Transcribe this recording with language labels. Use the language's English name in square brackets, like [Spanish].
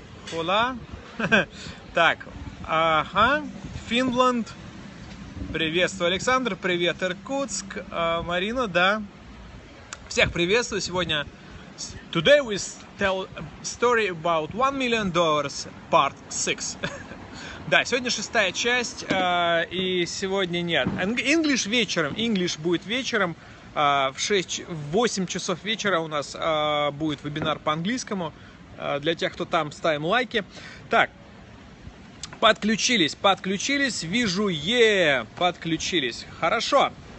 [Russian] Хула. Так, ага, Финланд. Приветствую, Александр. Привет, Иркутск. Марина, да. Всех приветствую сегодня. [English] Today we tell story about 1 million dollars, part 6. [Russian] Да, сегодня шестая часть, и сегодня нет. English вечером. English будет вечером. В 6-8 часов вечера у нас будет вебинар по-английскому. Для тех, кто там, ставим лайки. Так, подключились, вижу, подключились. Хорошо.